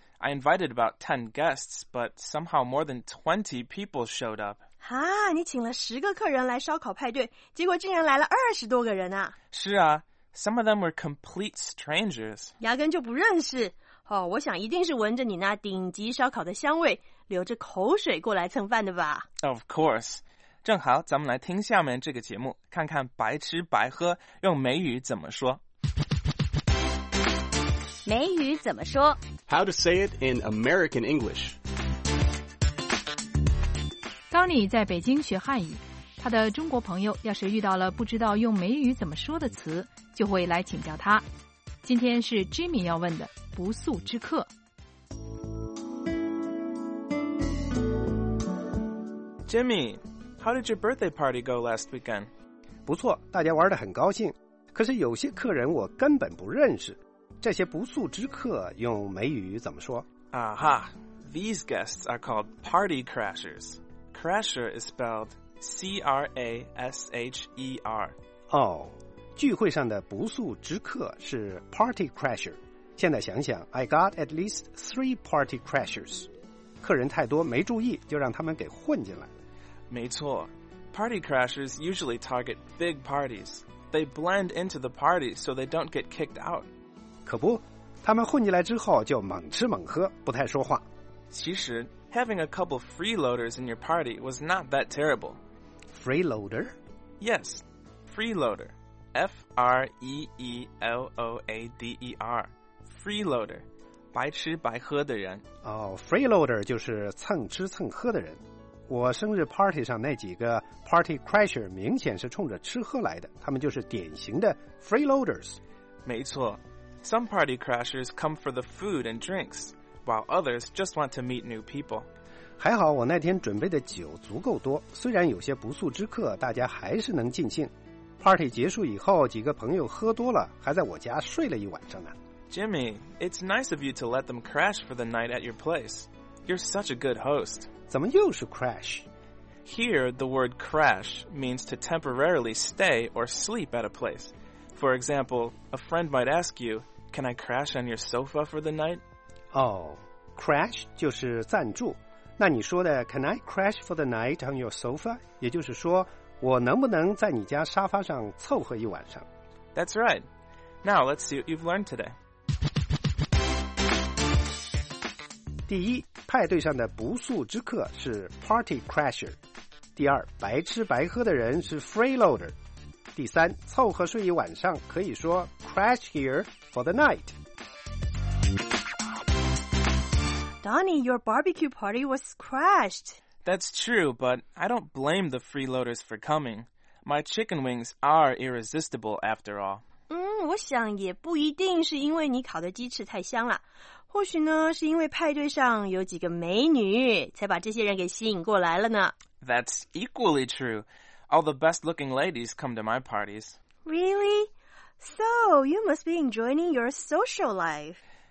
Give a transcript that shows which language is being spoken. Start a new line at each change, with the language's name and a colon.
English: I invited about 10 guests, but somehow more than 20 people showed up.
Chinese: 哈，你请了十个客人来烧烤派对，结果竟然来了二十多个人啊。是啊，
English: some of them were complete strangers.
Chinese: 压根就不认识。哦，我想一定是闻着你那顶级烧烤的香味，流着口水过来蹭饭的吧。
English: Of course.
Chinese: 正好咱们来听下面这个节目，看看白吃白喝用美语怎么说。美语怎么说？
English: How to say it in American English.
Chinese: Tony 在北京学汉语，他的中国朋友要是遇到了不知道用美语怎么说的词，就会来请教他。今天是 Jimmy 要问的不速之客。
English: Jimmy, how did your birthday party go last weekend?
Chinese: 不错，大家玩得很高兴，可是有些客人我根本不认识。这些不速之客用美语怎么说？
English: 啊哈， these guests are called party crashers. Crasher is spelled C-R-A-S-H-E-R.
Chinese: 哦，聚会上的不速之客是 party crasher. 现在想想
English: I got at least 3 party crashers.
Chinese: 客人太多没注意就让他们给混进来。没错，
English: party crashers usually target big parties. They blend into the party so they don't get kicked out.
Chinese: 可不，他们混进来之后就猛吃猛喝，不太说话。其实
English: having a couple freeloaders in your party was not that terrible. freeloader? Yes, freeloader. F-R-E-E-L-O-A-D-E-R.
Chinese: Freeloader, 白吃白喝的人。哦、oh, freeloader 就是蹭吃蹭喝的人。我生日 party 上那几个 party crasher 明显是冲着吃喝来的，他们就是典型的 freeloaders。没错，
English: some party crashers come for the food and drinks, while others just want to meet new people.
Chinese: 还好我那天准备的酒足够多，虽然有些不速之客，大家还是能尽兴。 Party 结束以后，几个朋友喝多了，还在我家睡了一晚上呢。
English: Jimmy, it's nice of you to let them crash for the night at your place. You're such a good host.
Chinese: 怎么又是 crash?
English: Here, the word crash means to temporarily stay or sleep at a place. For example, a friend might ask you, can I crash on your sofa for the night? Oh, crash
Chinese: 就是暂住。那你说的
English: can I crash for the night on your sofa?
Chinese: 也就是说，我能不能在你家沙发上凑合一晚上?
English: That's right. Now, let's see what you've learned today.
Chinese: 第一，派对上的不速之客是 party crasher。第二，白吃白喝的人是 freeloader。第三，凑合睡一晚上可以说
English: crash here for the night。 Donnie, your barbecue party was crashed. That's true, but I don't blame the freeloaders for coming. My chicken wings are irresistible after all.
Chinese: 我想也不一定是因为你烤的鸡翅太香了。或许呢，是因为派对上有几个美女，才把这些人给吸引过来了呢。
English: That's equally true. All the best-looking ladies come to my parties. Really? So, you must be enjoying your social life.